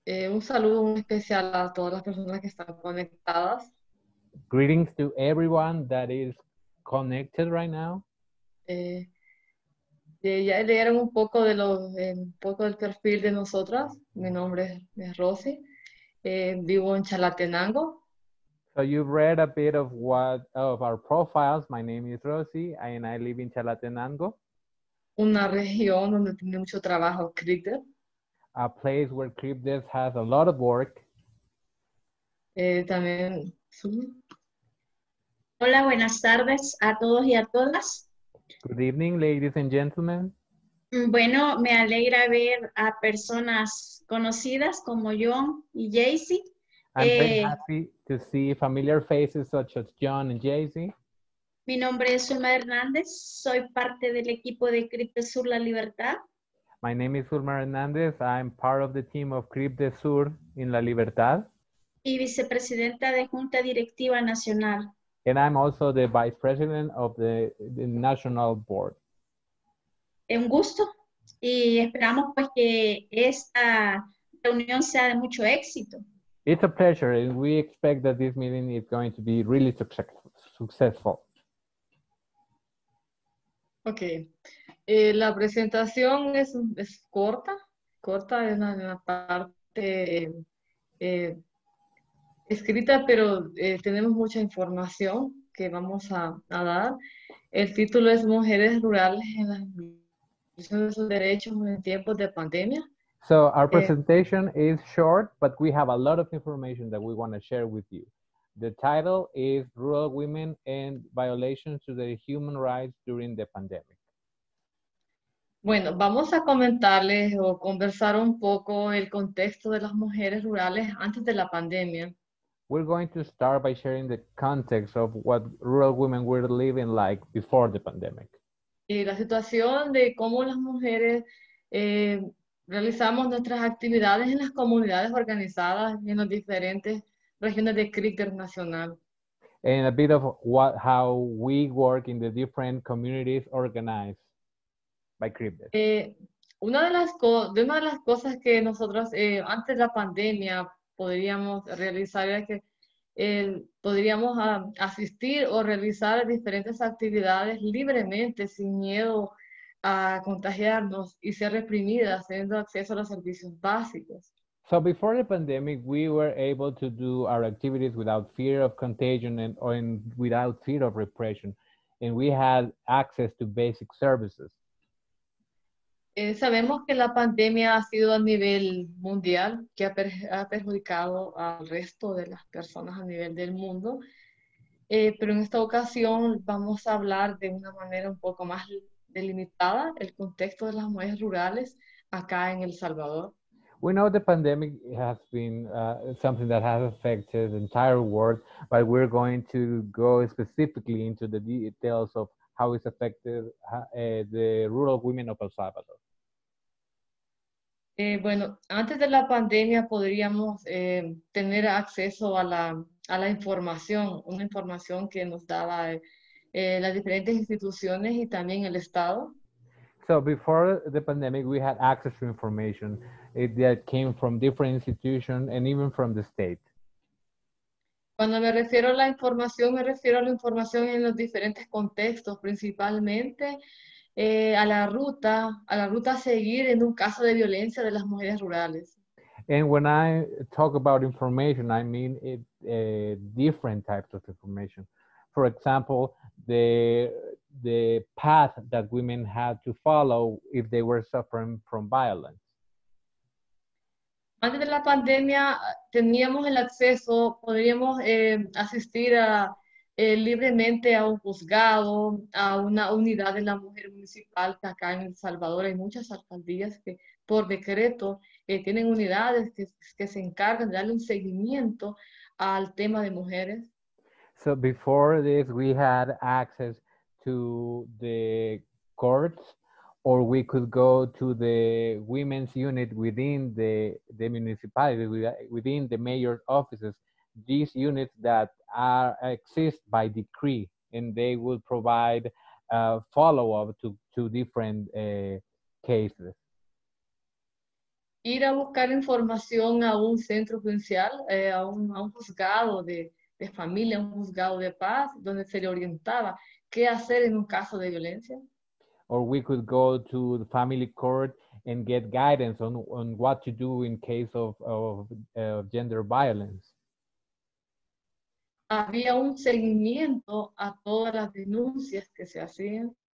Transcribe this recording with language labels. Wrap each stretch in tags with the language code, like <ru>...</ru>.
<es>Un saludo muy especial a todas las personas que están conectadas.</es> <en>Greetings to everyone that is connected right now.</en> <es>Ya leyeron un poco de un poco del perfil de nosotras. Mi nombre es Rosy. Vivo en Chalatenango.</es> <en>So you've read a bit of our profiles. My name is Rosy and I live in Chalatenango.</en> <es>Una región donde tiene mucho trabajo CREPDES.</es> <en>A place where CREPDES has a lot of work.</en> <es>También. Hola, buenas tardes a todos y a todas.</es> <en>Good evening, ladies and gentlemen.</en> <es>Bueno, me alegra ver a personas conocidas como John y Jaycee.</es> <en>I'm very happy to see familiar faces such as John and Jay-Z.</en> <es>Mi nombre es Zulma Hernández. Soy parte del equipo de CREPDES Sur La Libertad.</es> <en>My name is Zulma Hernández. I'm part of the team of CREPDES Sur in La Libertad.</en> <es>Y vicepresidenta de Junta Directiva Nacional.</es> <en>And I'm also the vice president of the national board.</en> <es>Un gusto. Y esperamos pues que esta reunión sea de mucho éxito.</es> <en>It's a pleasure, and we expect that this meeting is going to be really successful.</en> <es>Okay. La presentación es corta, es una parte escrita, pero tenemos mucha información que vamos a dar. El título es Mujeres Rurales en las Migraciones de sus Derechos en Tiempos de Pandemia.</es> <en>So our presentation is short, but we have a lot of information that we want to share with you. The title is Rural Women and Violations to Their Human Rights During the Pandemic.</en> <es>Bueno, vamos a comentarles o conversar un poco el contexto de las mujeres rurales antes de la pandemia.</es> <en>We're going to start by sharing the context of what rural women were living like before the pandemic.</en> <es>Y la situación de cómo las mujeres realizamos nuestras actividades en las comunidades organizadas y en las diferentes regiones de Críquer Nacional.</es> <en>And a bit of what, how we work in the different communities organized by Críquer.</en> <es>Una de las cosas que nosotros antes de la pandemia podríamos realizar era que podríamos asistir o realizar diferentes actividades libremente sin miedo a contagiarnos y ser reprimidas teniendo acceso a los servicios básicos.</es> <en>So before the pandemic, we were able to do our activities without fear of contagion and without fear of repression, and we had access to basic services.</en> <es>Sabemos que la pandemia ha sido a nivel mundial, que ha perjudicado al resto de las personas a nivel del mundo, pero en esta ocasión vamos a hablar de una manera un poco más delimitada el contexto de las mujeres rurales acá en El Salvador.</es> <en>We know the pandemic has been something that has affected the entire world, but we're going to go specifically into the details of how it's affected the rural women of El Salvador.</en> <es>Bueno, antes de la pandemia podríamos tener acceso a la información, una información que nos daba las diferentes instituciones y también el Estado.</es> <en>So before the pandemic, we had access to information that came from different institutions and even from the state.</en> <es>Cuando me refiero a la información, me refiero a la información en los diferentes contextos, principalmente a la ruta a seguir en un caso de violencia de las mujeres rurales.</es> <en>And when I talk about information, I mean different types of information. For example, the path that women had to follow if they were suffering from violence.</en> <es>Antes de la pandemia, teníamos el acceso, podríamos asistir a libremente a un juzgado, a una unidad de la mujer municipal que acá en El Salvador hay muchas alcaldías que por decreto tienen unidades que se encargan de darle un seguimiento al tema de mujeres.</es> <en>So before this, we had access to the courts, or we could go to the women's unit within the municipality, within the mayor's offices. These units that exist by decree, and they will provide a follow-up to different cases.</en> <es>Ir a buscar información a un centro judicial, a un juzgado de familia, un juzgado de paz, donde se le orientaba qué hacer en un caso de violencia.</es> <en>Or we could go to the family court and get guidance on what to do in case of gender violence.</en> <es>Había un seguimiento a todas las denuncias que se hacían.</es>